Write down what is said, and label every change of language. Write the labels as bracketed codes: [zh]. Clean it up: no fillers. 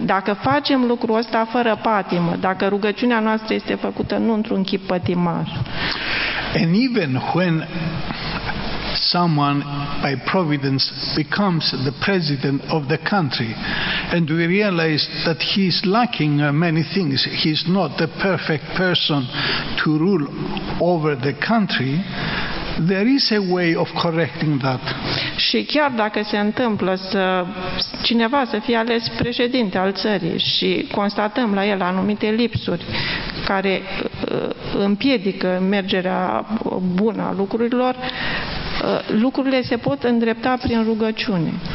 [ro] Dacă facem lucrul ăsta fără patimă, dacă rugăciunea noastră este făcută nu într-un chip pătimaș. [en] And even when someone by providence becomes the president of the country and we realize that he is lacking many things, he is not the perfect person to rule over the country, there is a way of correcting that. [ro] Și chiar dacă se întâmplă să cineva să fie ales președinte al țării și constatăm la el anumite lipsuri care împiedică mergerea bună a lucrurilor, lucrurile se pot îndrepta prin rugăciune.